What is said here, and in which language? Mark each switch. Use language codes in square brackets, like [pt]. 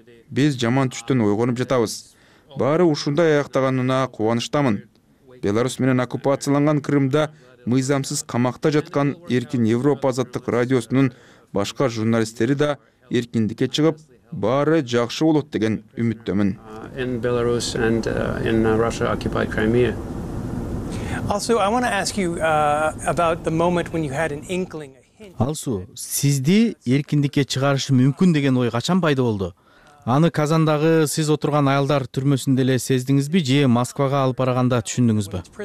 [ky] Биз жаман түштөн ойгонуп жатабыз. Баары ушундай аяктаганына кубанычтамын. Беларусь менен оккупацияланган Крымда мыйзамсыз камакта жаткан Эркин Европа Азаттык радиосунун башка журналисттери да эркиндикке чыгып, баары жакшы болот деген үмүттөмүн. [en] In Belarus and in Russia occupied Crimea. Also, I want to ask you about the moment when you had an inkling, a hint. [ky] Алсу, сизди эркиндикке чыгарышы мүмкүн деген ой качан пайда болду? Аны Казандагы сиз отурган аялдар түрмөсүндө эле сездиңизби же Москвага алып барганда түшүндүңүзбү?